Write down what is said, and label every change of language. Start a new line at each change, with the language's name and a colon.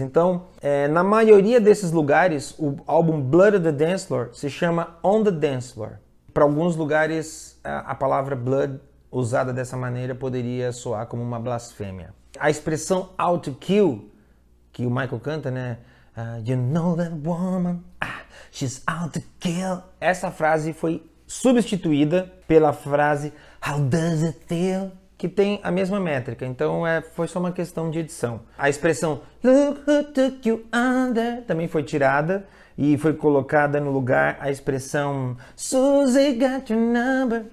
Portuguese: Então, na maioria desses lugares, o álbum Blood and the Dance Floor se chama On the Dance Floor. Para alguns lugares, a palavra blood usada dessa maneira poderia soar como uma blasfêmia. A expressão
English: out to kill,
Portuguese: que o Michael canta, né?
English: You know that woman, she's out to kill.
Portuguese: Essa frase foi substituída pela frase
English: How does it feel
Portuguese: que tem a mesma métrica, então foi só uma questão de edição. A expressão
English: "Look who took you under"
Portuguese: também foi tirada e foi colocada no lugar a expressão
English: "Susie got your number".